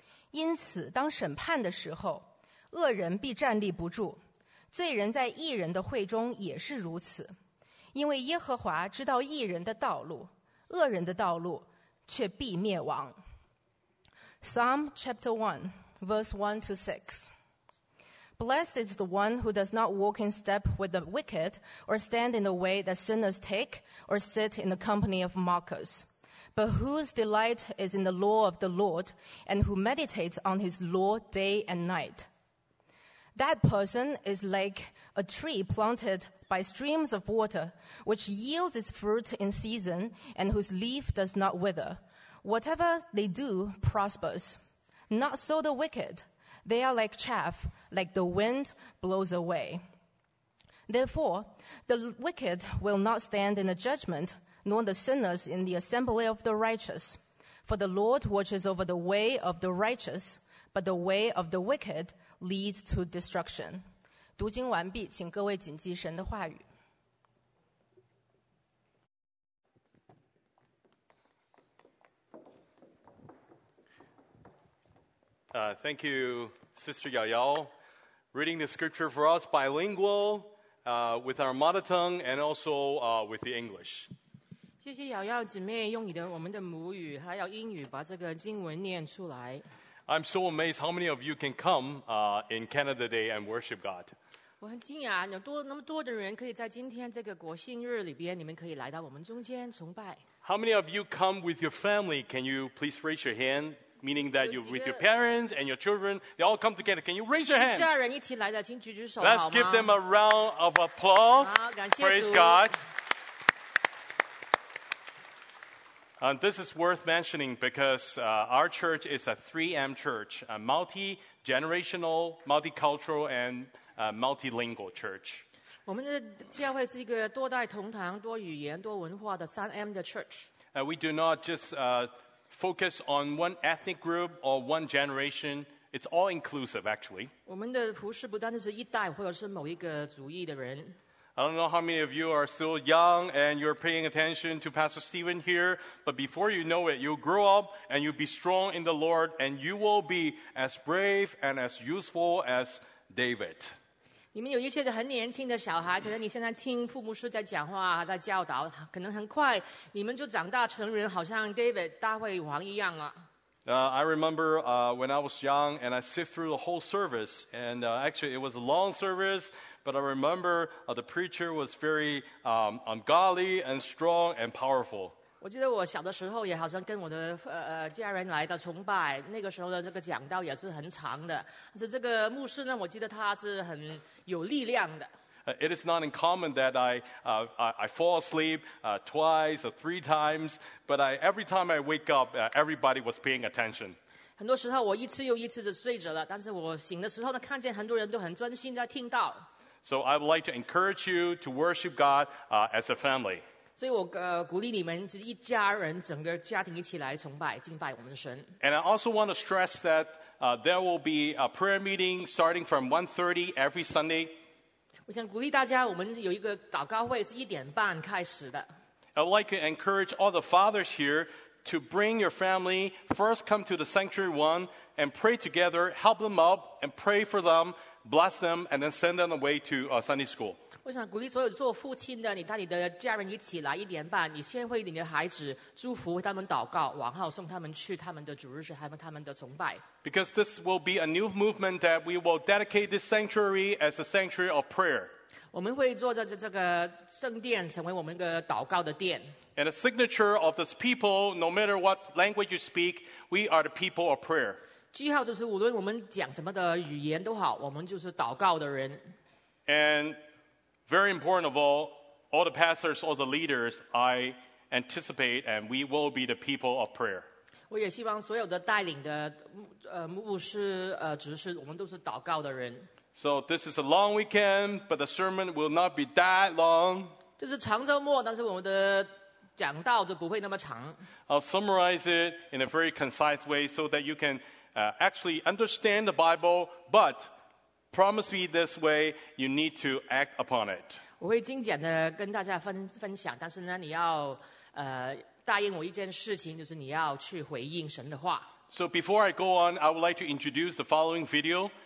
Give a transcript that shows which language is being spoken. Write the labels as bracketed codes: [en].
[zh] 因此当审判的时候，恶人必站立不住，罪人在义人的会中也是如此。因为耶和华知道义人的道路，恶人的道路却必灭亡。 [en] Psalm chapter 1 verse 1 to 6. Blessed is the one who does not walk in step with the wicked, or stand in the way that sinners take, or sit in the company of mockers, but whose delight is in the law of the Lord, and who meditates on his law day and night. That person is like a tree planted by streams of water, which yields its fruit in season, and whose leaf does not wither. Whatever they do prospers. Not so the wicked. They are like chaff, like the wind blows away. Therefore, the wicked will not stand in the judgment, nor the sinners in the assembly of the righteous. For the Lord watches over the way of the righteous, but the way of the wicked leads to destruction. [zh] 读经完毕，请各位谨记神的话语。 [en] Thank you, Sister Yael, reading the scripture for us bilingual, with our mother tongue and also with the English. [zh] 谢谢瑶瑶姊妹用你的我们的母语还有英语把这个经文念出来。 [en] I'm so amazed how many of you can come in Canada Day and worship God. [zh] 我很惊讶，有多那么多的人可以在今天这个国庆日里边，你们可以来到我们中间崇拜。 [en] How many of you come with your family? Can you please raise your hand? Meaning that you with your parents and your children, they all come together. Can you raise your hand? [zh] 家人一起来的，请举举手。 [en] Let's give them a round of applause. [zh] 好，感谢主。 [en] Praise God. And this is worth mentioning because our church is a 3M church, a multi-generational, multicultural, and multilingual church. [zh] 我们的教会是一个多代同堂、多语言、多文化的 3M 的 church. [en] We do not just focus on one ethnic group or one generation. It's all inclusive, actually. [zh] 我们的服事不单单是一代或者是某一个族裔的人。 [en] I don't know how many of you are still young and you're paying attention to Pastor Stephen here, but before you know it, you'll grow up and you'll be strong in the Lord and you will be as brave and as useful as David. [zh] 你们有一些很年轻的小孩，可能你现在听父母师在讲话，在教导，可能很快你们就长大成人，好像 David 大卫王一样了。 [en] I remember when I was young and I sit through the whole service and actually it was a long service, but I remember the preacher was very ungodly and strong and powerful. [zh] 我记得我小的时候也好像跟我的家人来到崇拜，那个时候的这个讲道也是很长的，但是这个牧师呢，我记得他是很有力量的。 [en] It is not uncommon that I fall asleep twice or three times, but every time I wake up, everybody was paying attention. [zh] 很多时候我一次又一次的睡着了，但是我醒的时候呢，看见很多人都很专心在听到。 [en] So I would like to encourage you to worship God as a family. [zh] 所以我鼓励你们，就是一家人，整个家庭一起来崇拜、敬拜我们的神。 [en] And I also want to stress that there will be a prayer meeting starting from 1:30 every Sunday. [zh] 我想鼓励大家，我们有一个祷告会是一点半开始的。 [en] I would like to encourage all the fathers here to bring your family, first come to the sanctuary one and pray together, help them up and pray for them. Bless them and then send them away to Sunday school. [zh] 我想鼓励所有做父亲的，你带你的家人一起来一点半，你先为你的孩子祝福，为他们祷告，往后送他们去他们的主日学，他们的崇拜。 [en] Because this will be a new movement that we will dedicate this sanctuary as a sanctuary of prayer. [zh] 我们会做这个圣殿成为我们的祷告的殿。 [en] And a signature of this people, no matter what language you speak, we are the people of prayer. [zh] 记号就是无论我们讲什么的语言都好，我们就是祷告的人。 [en] And very important of all the pastors, all the leaders, I anticipate and we will be the people of prayer. [zh] 我也希望所有的带领的牧师执事，我们都是祷告的人。 [en] So this is a long weekend, but the sermon will not be that long. [zh] 这是长周末，但是我们的讲道就不会那么长。 [en] I'll summarize it in a very concise way so that you can actually understand the Bible, but promise me this way, you need to act upon it. [zh] 我会精简的跟大家分享，但是呢，你要答应我一件事情，就是你要去回应神的话。 [en] So before I go on, I would like to introduce the following video.